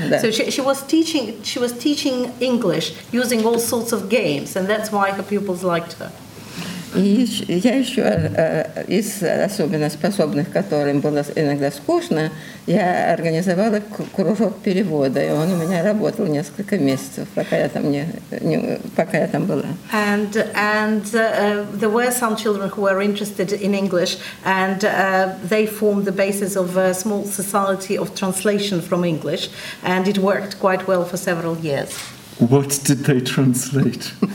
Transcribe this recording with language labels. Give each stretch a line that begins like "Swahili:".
English: So she was teaching English using all sorts of games, and that's why her pupils liked her.
Russian: Я еще из особенно способных, которым было иногда скучно, я организовала кружок перевода, и он у меня работал несколько месяцев, пока я там была.
English: And there were some children who were interested in English, and they formed the basis of a small society of translation from English, and it worked quite well for several years. What did they translate?